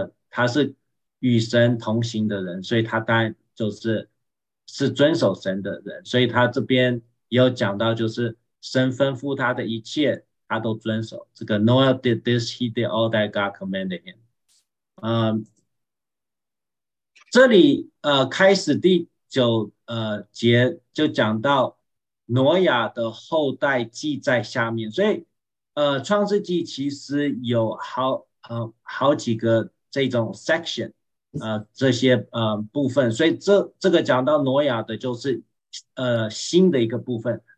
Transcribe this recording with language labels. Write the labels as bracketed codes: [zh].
[zh] 他是与神同行的人，所以他当然就是遵守神的人，所以他这边也有讲到，就是神吩咐他的一切他都遵守。这个 [en] Noah did this, he did all that God commanded him。 [zh] 这里开始第九节就讲到挪亚的后代记在下面，所以创世纪其实有好几个这种 section， 这些部分，所以这个讲到挪亚的就是新的一个部分。